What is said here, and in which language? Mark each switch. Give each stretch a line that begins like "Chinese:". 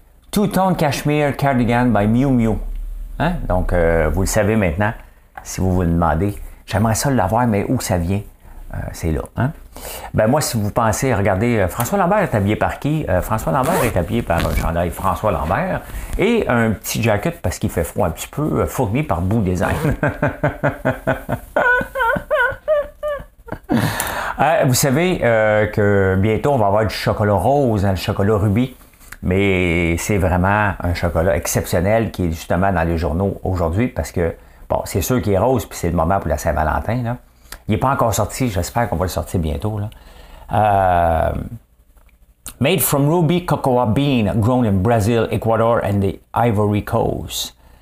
English: Two-tone Cashmere Cardigan by Miu Miu.
French: Hein? Donc, vous le savez maintenant, si vous vous demandez. J'aimerais ça l'avoir, mais où ça vient? C'est là. Hein? Ben moi, si vous pensez, regardez, François Lambert est habillé par qui? François Lambert est habillé par un chandail François Lambert et un petit jacket parce qu'il fait froid un petit peu, fourni par Boo Design. vous savez que bientôt, on va avoir du chocolat rose, hein, le chocolat rubis, mais c'est vraiment un chocolat exceptionnel qui est justement dans les journaux aujourd'hui parce que, bon, c'est sûr qu'il est rose puis c'est le moment pour la Saint-Valentin, là. Il n'est pas encore sorti, j'espère qu'on va le sortir bientôt. Là.
English: Made from ruby cocoa bean grown in Brazil, Ecuador and the Ivory Coast.